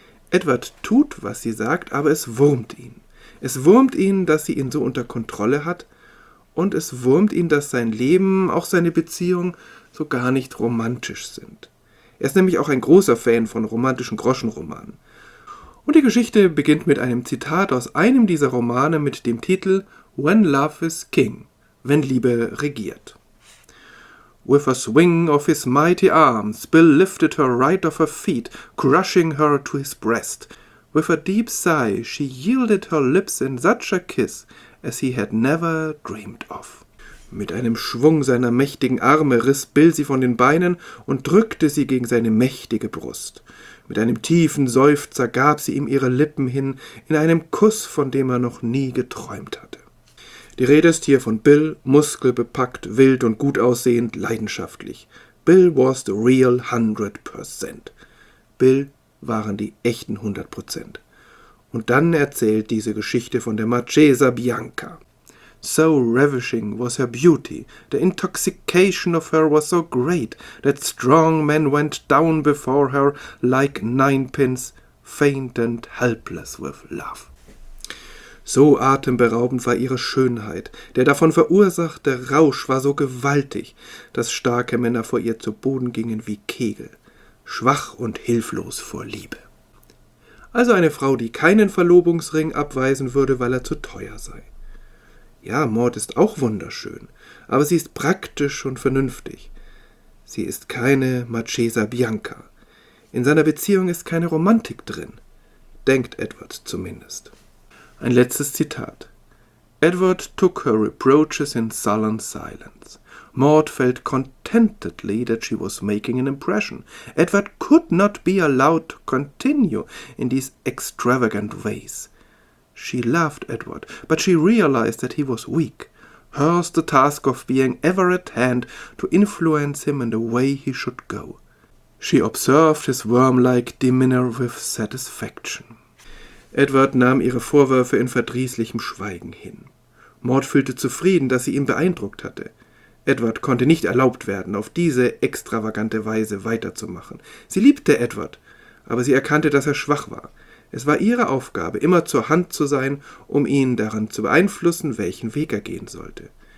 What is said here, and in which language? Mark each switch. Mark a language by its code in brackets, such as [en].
[de] Edward tut, was sie sagt, aber es wurmt ihn. Es wurmt ihn, dass sie ihn so unter Kontrolle hat und es wurmt ihn, dass sein Leben, auch seine Beziehung, so gar nicht romantisch sind. Er ist nämlich auch ein großer Fan von romantischen Groschenromanen. Und die Geschichte beginnt mit einem Zitat aus einem dieser Romane mit dem Titel When Love is King, wenn Liebe regiert. [en] With a swing of his mighty arms, Bill lifted her right off her feet, crushing her to his breast. With a deep sigh, she yielded her lips in such a kiss, as he had never dreamed of. [de] Mit einem Schwung seiner mächtigen Arme riss Bill sie von den Beinen und drückte sie gegen seine mächtige Brust. Mit einem tiefen Seufzer gab sie ihm ihre Lippen hin, in einem Kuss, von dem er noch nie geträumt hatte. Die Rede ist hier von Bill, muskelbepackt, wild und gut aussehend, leidenschaftlich. [en] Bill was the real 100%. [de] Bill waren die echten 100%. Und dann erzählt diese Geschichte von der Marchesa Bianca. [en] So ravishing was her beauty, the intoxication of her was so great, that strong men went down before her like ninepins, faint and helpless with love. [de] So atemberaubend war ihre Schönheit. Der davon verursachte Rausch war so gewaltig, dass starke Männer vor ihr zu Boden gingen wie Kegel, schwach und hilflos vor Liebe. Also eine Frau, die keinen Verlobungsring abweisen würde, weil er zu teuer sei. Ja, Maud ist auch wunderschön, aber sie ist praktisch und vernünftig. Sie ist keine Marchesa Bianca. In seiner Beziehung ist keine Romantik drin, denkt Edward zumindest. Ein letztes Zitat. [en] Edward took her reproaches in sullen silence. Maud felt contentedly that she was making an impression. Edward could not be allowed to continue in these extravagant ways. She loved Edward, but she realized that he was weak. Hers the task of being ever at hand to influence him in the way he should go. She observed his worm-like demeanor with satisfaction. [de] Edward nahm ihre Vorwürfe in verdrießlichem Schweigen hin. Maud fühlte zufrieden, dass sie ihn beeindruckt hatte. Edward konnte nicht erlaubt werden, auf diese extravagante Weise weiterzumachen. Sie liebte Edward, aber sie erkannte, dass er schwach war. Es war ihre Aufgabe, immer zur Hand zu sein, um ihn daran zu beeinflussen, welchen Weg er gehen sollte.